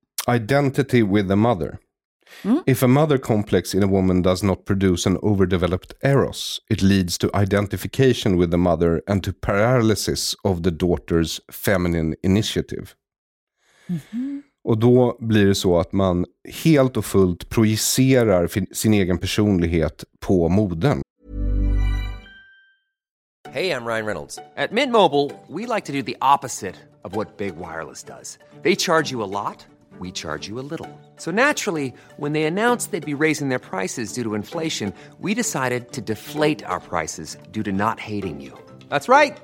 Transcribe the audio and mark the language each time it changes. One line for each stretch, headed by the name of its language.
English: Identity with the mother. If a mother complex in a woman does not produce an overdeveloped eros, it leads to identification with the mother and to paralysis of the daughter's feminine initiative. Mm-hmm.
Swedish: Och då blir det så att man helt och fullt projicerar sin egen personlighet på modern.
English: Hey, I'm Ryan Reynolds. At Mint Mobile, we like to do the opposite of what Big Wireless does. They charge you a lot, we charge you a little. So naturally, when they announced they'd be raising their prices due to inflation, we decided to deflate our prices due to not hating you. That's right.